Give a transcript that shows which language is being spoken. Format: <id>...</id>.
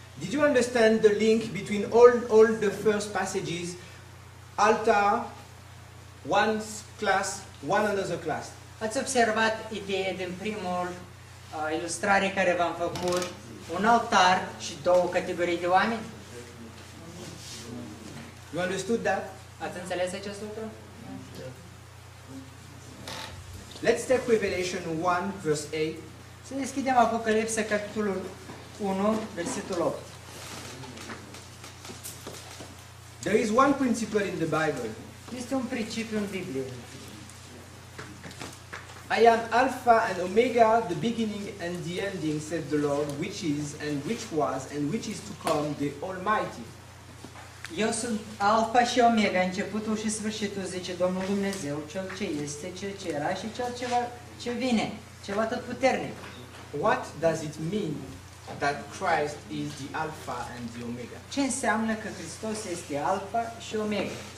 <en>Did you understand the link between all the first passages, altar, one class, one another class?</en> <ro>Ați observat ideea din primul ilustrare care v-am făcut, un altar și două categorii de oameni?</ro> <en>You understood that?</en> <ro>Ați înțeles acest lucru?</ro> <en>Let's take Revelation 1, verse 8.</en> <ro>Să deschidem Apocalipsa, capitolul 1, versetul 8.</ro> <en>There is one principle in the Bible.</en> <ro>Este un principiu în Biblie.</ro> <en>I am Alpha and Omega, the beginning and the ending, said the Lord, which is and which was and which is to come, the Almighty.</en> <ro>Eu sunt Alpha și Omega, începutul și sfârșitul, zice Domnul Dumnezeu, cel ce este, cel ce era și cel ce va, ce vine, cel atotputernic.</ro> <en>What does it mean that Christ is the Alpha and the Omega?</en> <ro>Ce înseamnă că Hristos este Alpha și Omega?</ro>